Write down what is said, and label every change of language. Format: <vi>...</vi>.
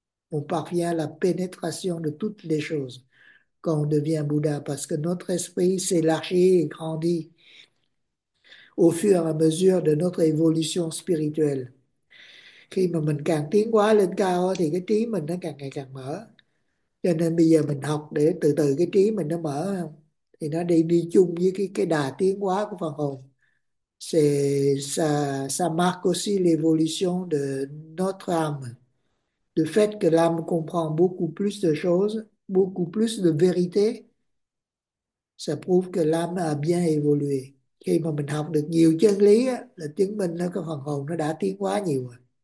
<fr>Ông Phật vient là pénétration de toutes les choses quand on devient Bouddha, parce que notre esprit s'élargit et grandit au fur et à mesure de notre évolution spirituelle.</fr> <vi>Khi mà mình càng tiến hóa lên cao thì cái trí mình nó càng ngày càng mở. Cho nên bây giờ mình học để từ từ cái trí mình nó mở không, thì nó đi đi chung với cái đà tiến hóa của phần hồn.</vi> <fr>Ça marque aussi l'évolution de notre âme. Le fait que l'âme comprend beaucoup plus de choses, beaucoup plus de vérité, ça prouve que l'âme a bien évolué.</fr> <vi>Khi mà mình học được nhiều chân lý á, là chứng minh nó cái phần hồn nó đã tiến hóa nhiều rồi.</vi>